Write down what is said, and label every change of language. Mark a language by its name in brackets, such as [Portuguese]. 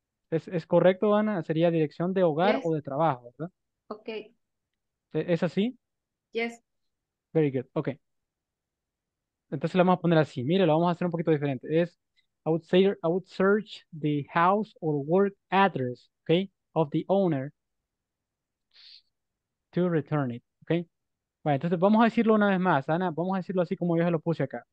[Spanish] ¿Es correcto, Ana? Sería dirección de hogar o [English] Yes. [Spanish] de trabajo, ¿verdad? [English] Okay. [Spanish] ¿Es así? [English] Yes. Very good, [Spanish] ok. Entonces lo vamos a poner así. Mire, lo vamos a hacer un poquito diferente. [English] Es, I would search the house or work address, okay, of the owner to return it, okay. [Spanish] Bueno, entonces vamos a decirlo una vez más, Ana. Vamos a decirlo así como yo se lo puse acá.